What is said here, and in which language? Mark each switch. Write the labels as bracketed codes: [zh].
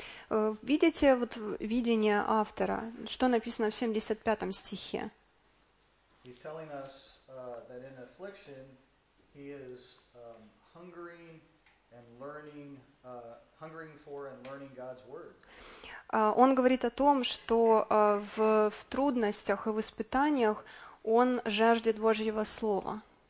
[ru] Видите вот видение автора, что написано в 75 стихе? [en] He's telling us, that in affliction he is hungering and learning, hungering for and learning God's word. [ru] Он говорит о том, что в трудностях и в испытаниях он жаждет Божьего Слова.